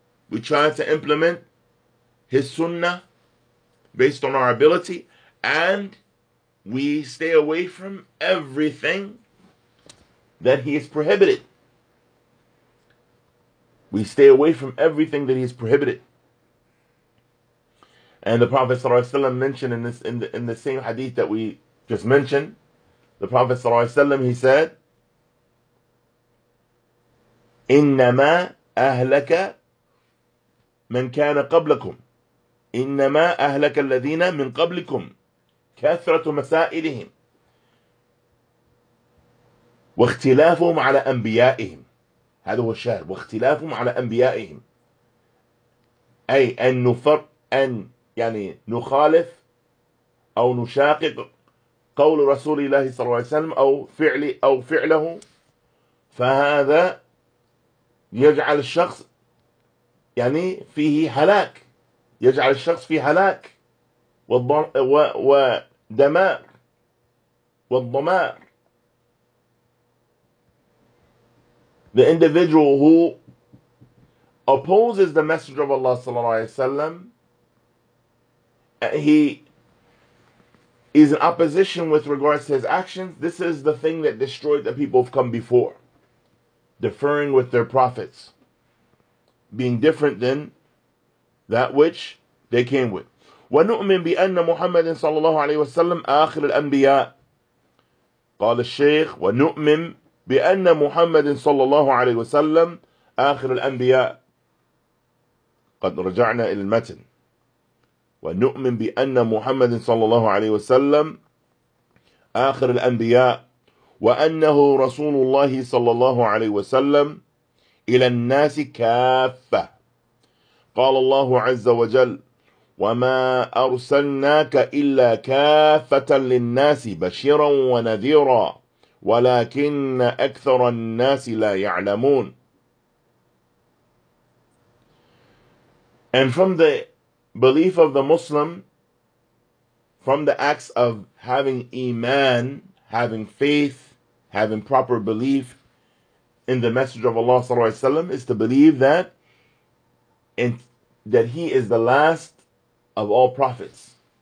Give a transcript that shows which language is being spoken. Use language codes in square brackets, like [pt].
[en] We try to implement his sunnah based on our ability, and we stay away from everything that he has prohibited. We stay away from everything that he has prohibited. And the Prophet ﷺ mentioned in the same hadith that we just mentioned, the Prophet ﷺ, he said, [ar] إِنَّمَا أَهْلَكَ مَنْ كَانَ قَبْلَكُمْ إِنَّمَا أَهْلَكَ الَّذِينَ مِنْ قَبْلِكُمْ كَثْرَةُ مَسَائِلِهِمْ وَاخْتِلَافُهُمْ عَلَى أَنْبِيَائِهِمْ. هذا هو الشاهد. واختلافهم على أنبيائهم. أي أن نفرق أن يعني نخالف أو نشاقق قول رسول الله صلى الله عليه وسلم أو فعله. فهذا يجعل الشخص يعني فيه هلاك. يجعل الشخص فيه هلاك ودمار والضمار. [en] The individual who opposes the Messenger of Allah sallallahu alayhi wa sallam, he is in opposition with regards to his actions. This is the thing that destroyed the people who have come before, differing with their prophets, being different than that which they came with. [ar] وَنُؤْمِن بِأَنَّ مُحَمَّدٍ صَلَّى اللَّهُ عَلَيْهِ وَسَلَّمَ آخِرِ الْأَنْبِيَاءِ. قال الشيخ وَنُؤْمِن بأن محمد صلى الله عليه وسلم آخر الأنبياء. قد رجعنا إلى المتن. ونؤمن بأن محمد صلى الله عليه وسلم آخر الأنبياء وأنه رسول الله صلى الله عليه وسلم إلى الناس كافة. قال الله عز وجل وما أرسلناك إلا كافة للناس بشيرا ونذيرا ولكن أكثر الناس لا يعلمون. [en] And from the belief of the Muslim, from the acts of having Iman, having faith, having proper belief in the Messenger of Allah sallallahu alaihi wasallam, is to believe that that he is the last of all prophets.